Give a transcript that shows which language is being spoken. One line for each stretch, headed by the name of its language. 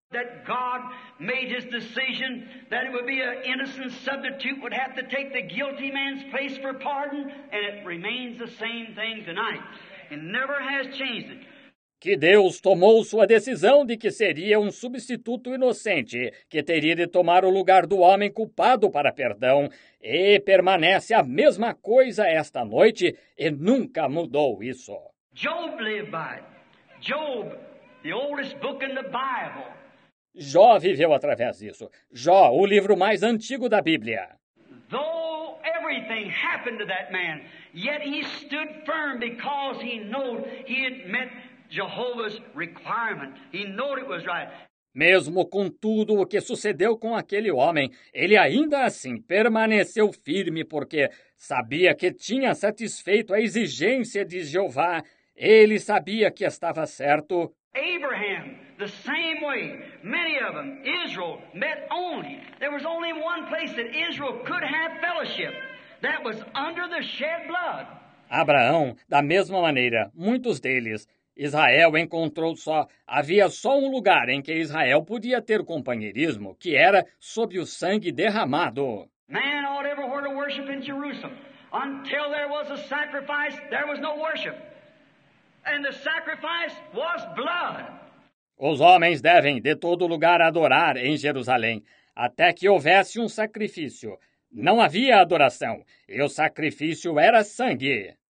English: That God made his decision that it would be an innocent substitute would have to take the guilty man's place for pardon, and it remains the same thing tonight. It never has changed it.
Portuguese: Que Deus tomou sua decisão de que seria um substituto inocente, que teria de tomar o lugar do homem culpado para perdão, e permanece a mesma coisa esta noite, e nunca mudou isso.
English: Job lived by it. Job, the oldest book in the Bible.
Portuguese: Jó viveu através disso. Jó, o livro mais antigo da Bíblia.
English: Though everything happened to that man, yet he stood firm because he knew he had met Jehovah's requirement. He knew it was right.
Portuguese: Mesmo com tudo o que sucedeu com aquele homem, ele ainda assim permaneceu firme porque sabia que tinha satisfeito a exigência de Jeová. Ele sabia que estava certo.
English: Abraham, the same way, many of them, Israel, met only. There was only one place that Israel could have fellowship. That was under the shed blood.
Portuguese: Abraão, da mesma maneira, muitos deles, Israel encontrou só, havia só um lugar em que Israel podia ter companheirismo, que era sob o sangue derramado.
English: Man ought everywhere to worship in Jerusalem. Until there was a sacrifice, there was no worship. And the sacrifice was blood.
Portuguese: Os homens devem, de todo lugar, adorar em Jerusalém, até que houvesse um sacrifício. Não havia adoração, e o sacrifício era sangue.